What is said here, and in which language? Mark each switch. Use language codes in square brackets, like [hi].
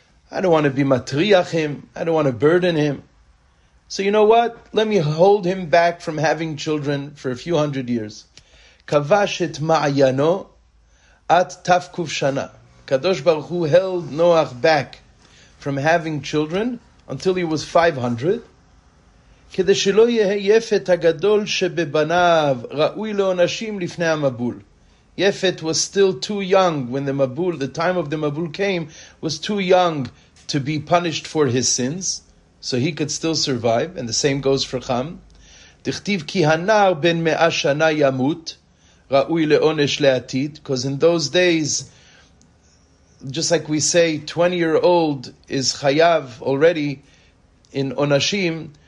[en] I don't want to be matriach him. I don't want to burden him. So you know what? Let me hold him back from having children for a few hundred years. [he] Kavash et ma'ayano at tafkuf shana. [en] Kadosh Baruch Hu held Noach back from having children until he was 500. [he] כדי שלא יהיה יפת הגדול שבבניו ראוי לאנשים לפני המבול. [en] יפת was still too young when the Mabul, the time of the Mabul came, was too young to be punished for his sins, so he could still survive, and the same goes for Cham. [he] דכתיב כי הנער בן מאה שנה ימות ראוי לעונש לעתיד, [en] because in those days, just like we say, 20-year-old is chayav already in onashim.